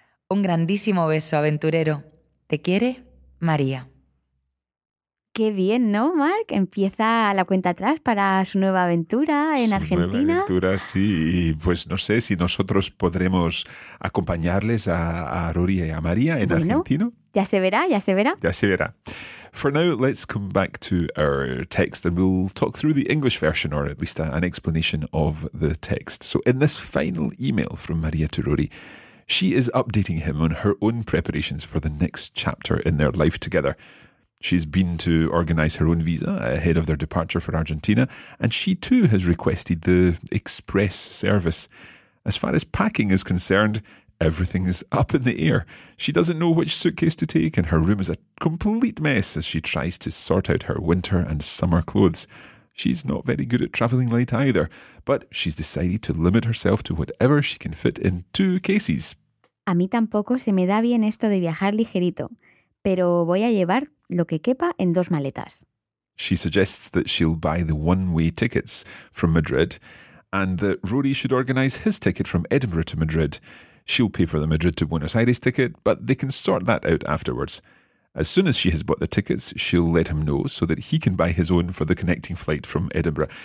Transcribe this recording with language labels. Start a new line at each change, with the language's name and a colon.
Spanish: Un grandísimo beso, aventurero. Te quiere, María. Qué bien, ¿no, Marc? Empieza la cuenta atrás para su nueva aventura en Argentina. Su nueva aventura, sí. Y pues no sé si nosotros podremos acompañarles a Rory y a María en Argentina. Ya se verá, ya se verá. Ya se verá.
English: For now, let's come back to our text and we'll talk through the English version or at least an explanation of the text. So in this final email from María to Rory, she is updating him on her own preparations for the next chapter in their life together. She's been to organise her own visa ahead of their departure for Argentina, and she too has requested the express service. As far as packing is concerned, everything is up in the air. She doesn't know which suitcase to take, and her room is a complete mess as she tries to sort out her winter and summer clothes. She's not very good at travelling light either, but she's decided to limit herself to whatever she can fit in two cases.
Spanish: A mí tampoco se me da bien esto de viajar ligerito, pero voy a llevar lo que quepa en dos maletas.
English: She suggests that she'll buy the one-way tickets from Madrid and that Rory should organise his ticket from Edinburgh to Madrid. She'll pay for the Madrid to Buenos Aires ticket, but they can sort that out afterwards. As soon as she has bought the tickets, she'll let him know so that he can buy his own for the connecting flight from Edinburgh.